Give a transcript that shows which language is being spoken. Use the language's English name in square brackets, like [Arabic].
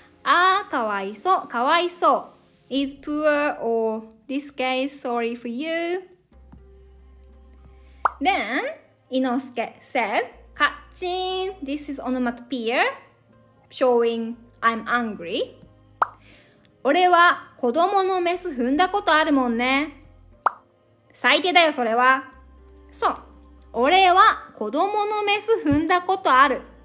[Japanese] Ah, かわいそう、かわいそう。 [English] Is poor or this case, sorry for you. Then, Inosuke said, Kachin, this is onomatopoeia, showing I'm angry. [Japanese] 俺は子供のメス踏んだことあるもんね。最低だよ、それは。 So, 俺は子供のメス踏んだことある。